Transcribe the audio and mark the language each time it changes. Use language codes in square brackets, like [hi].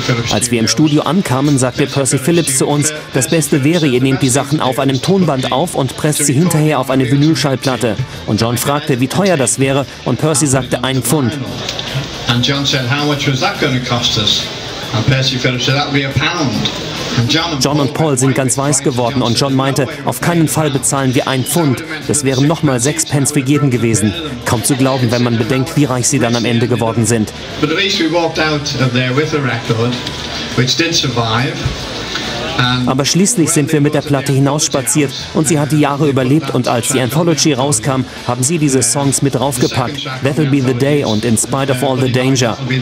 [de] Als wir im Studio ankamen, sagte Percy Phillips zu uns, das Beste wäre, ihr nehmt die Sachen auf einem Tonband auf und presst sie hinterher auf eine Vinylschallplatte. Und John fragte, wie teuer das wäre, und Percy sagte 1 Pfund. [en] Und John sagte, how much was that going to cost us? And Percy Phillips said, that'd be a pound. [de] John und Paul sind ganz weiß geworden und John meinte, auf keinen Fall bezahlen wir 1 Pfund. Das wären nochmal 6 Pence für jeden gewesen. Kaum zu glauben, wenn man bedenkt, wie reich sie dann am Ende geworden sind. [en] But at least we walked out of there with a record, which did survive. [de] Aber schließlich sind wir mit der Platte hinausspaziert und sie hat die Jahre überlebt, und als die Anthology rauskam, haben sie diese Songs mit draufgepackt. That'll Be the Day und In Spite of All the Danger.